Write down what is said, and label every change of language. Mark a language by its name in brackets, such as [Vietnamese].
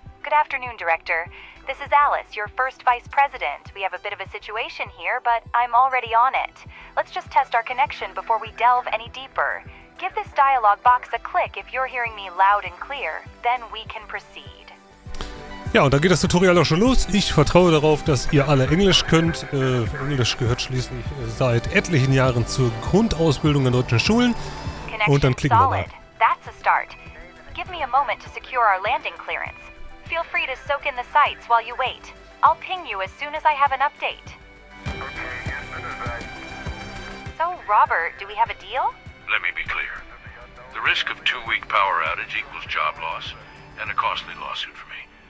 [English] Good afternoon, Director. This is Alice, your first Vice President. We have a bit of a situation here, but I'm already on it. Let's just test our connection before we delve any deeper. give this dialog box a click if you're hearing me loud and clear, then we can proceed. [German] Ja, und dann geht das Tutorial auch schon los. Ich vertraue darauf, dass ihr alle Englisch könnt. Englisch gehört schließlich seit etlichen Jahren zur Grundausbildung in deutschen Schulen. Und dann klicken wir mal. [English] That's a start. Give me a moment to secure our landing clearance. Feel free to soak in the sights while you wait. I'll ping you as soon as I have an update. So, Robert, do we have a deal? Let me be clear. The risk of 2-week power outage equals job loss and a costly lawsuit for me.